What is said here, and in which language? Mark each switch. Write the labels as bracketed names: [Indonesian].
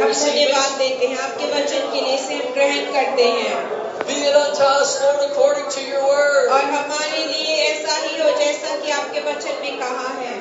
[Hindi] हम धन्यवाद देते हैं आपके वचन के लिए से हम ग्रहण करते हैं. [English] Be it unto us Lord according to your word. [Hindi] और हमारे लिए ऐसा ही हो जैसा कि आपके वचन में कहा है.